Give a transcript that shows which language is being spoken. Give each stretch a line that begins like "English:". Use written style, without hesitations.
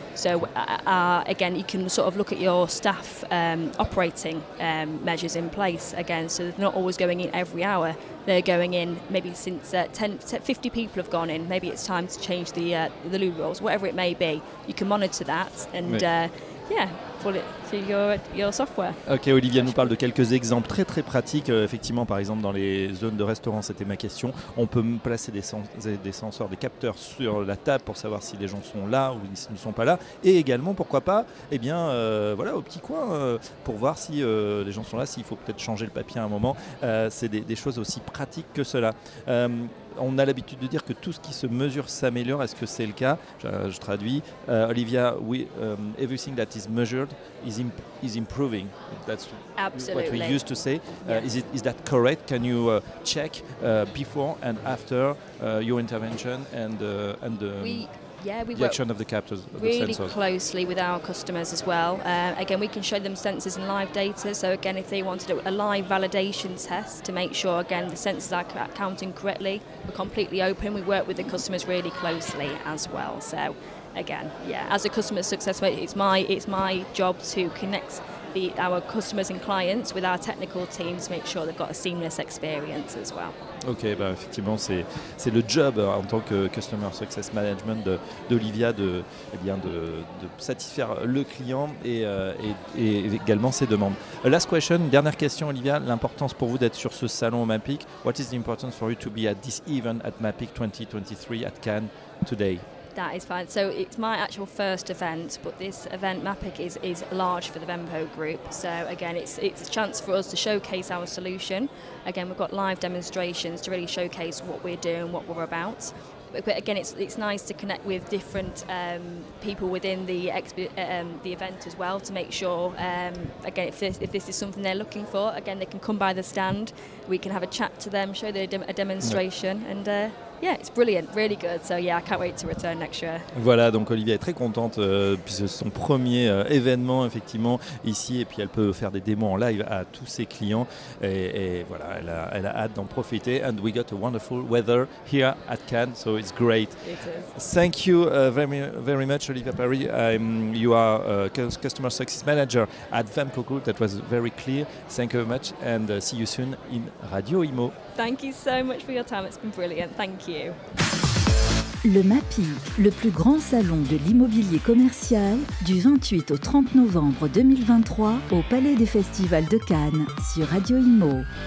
English: So again, you can sort of look at your staff operating measures in place again. So they're not always going in every hour. They're going in maybe since 50 people have gone in. Maybe it's time to change the loo rolls, whatever it may be. You can monitor that and pull it to your software.
French: Ok, Olivia nous parle de quelques exemples très très pratiques. Effectivement, par exemple, dans les zones de restaurants, c'était ma question. On peut placer des senseurs, des capteurs sur la table pour savoir si les gens sont là ou s'ils ne sont pas là. Et également, pourquoi pas, au petit coin, pour voir si les gens sont là, s'il faut peut-être changer le papier à un moment. C'est des choses aussi pratiques que cela. On a l'habitude de dire que tout ce qui se mesure s'améliore. Est-ce que c'est le cas? Je traduis.
English: Olivia, everything that is measured is improving. That's absolutely what we used to say. Yes. Is that correct? Can you check before and after your intervention and the action of the captors? Really closely with our customers as well. Again, we can show them sensors and live data. So again, if they wanted a live validation test to make sure, again, the sensors are counting correctly, we're completely open. We work with the customers really closely as well. So again, as a customer success, it's my job to connect our customers and clients with our technical teams to make sure they've got a seamless experience as well.
French: Ok, effectivement, c'est le job en tant que Customer Success Management d'Olivia de satisfaire le client et également ses demandes.
English: Last question,
French: dernière question, Olivia. L'importance pour vous d'être sur ce salon au MAPIC.
English: What is the importance for you to be at this event at MAPIC 2023 at Cannes today? That is fine. So it's my actual first event, but this event, MAPIC, is large for the Venpo Group. So again, it's a chance for us to showcase our solution. Again, we've got live demonstrations to really showcase what we're doing, what we're about. But again, it's nice to connect with different people within the event as well to make sure, if this is something they're looking for, again, they can come by the stand, we can have a chat to them, show them a demonstration, and it's brilliant, really good. So yeah, I can't wait to return next year.
French: Voilà, donc Olivia est très contente puisque c'est son premier événement effectivement ici, et puis elle peut faire des démos en live à tous ses clients, et voilà, elle a hâte d'en profiter.
English: And we got a wonderful weather here at Cannes, so it's great. It is. Thank you very very much, Olivia Paris. You are customer success manager at Venpo Group. That was very clear. Thank you very much, and see you soon in Radio Imo. Thank you so much for your time. It's been brilliant. Thank you.
French: Le MAPIC, le plus grand salon de l'immobilier commercial, du 28 au 30 novembre 2023 au Palais des Festivals de Cannes sur Radio Imo.